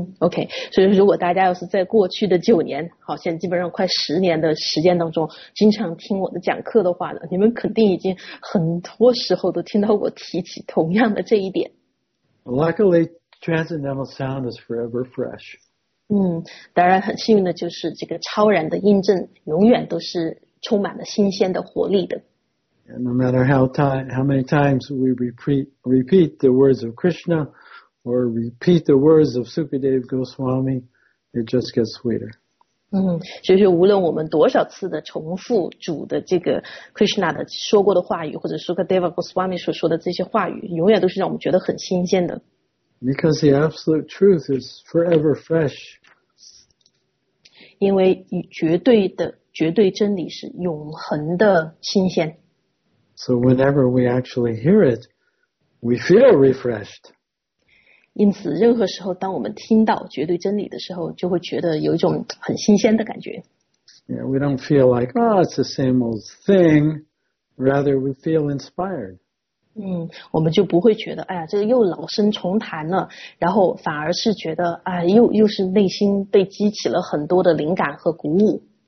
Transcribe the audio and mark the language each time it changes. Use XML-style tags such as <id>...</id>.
<zh>OK, 所以如果大家要是在过去的九年，好像基本上快十年的时间当中，经常听我的讲课的话呢，你们肯定已经很多时候都听到我提起同样的这一点。</zh> <en>Luckily, transcendental sound is forever fresh.</en> <zh>当然很幸运的就是这个超然的音振永远都是充满了新鲜的活力的。</zh> <en>And no matter how many times we repeat the words of Krishna, or repeat the words of Sukadeva Goswami, it just gets sweeter.</en> <zh>所以无论我们多少次的重复主的这个 Krishna 的说过的话语，或者 Sukadeva Goswami 所说的这些话语，永远都是让我们觉得很新鲜的。</zh> <en>Because the absolute truth is forever fresh.</en> <zh>因为绝对真理是永恒的新鲜。</zh> <en>So whenever we actually hear it, we feel refreshed.</en> <zh>因此任何时候当我们听到绝对真理的时候，就会觉得有一种很新鲜的感觉。</zh> <en>Yeah, we don't feel like, oh, it's the same old thing. Rather, we feel inspired.</en> <zh>我们就不会觉得哎呀，这个又老生重谈了，然后反而是觉得哎，又是内心被激起了很多的灵感和鼓舞。</zh>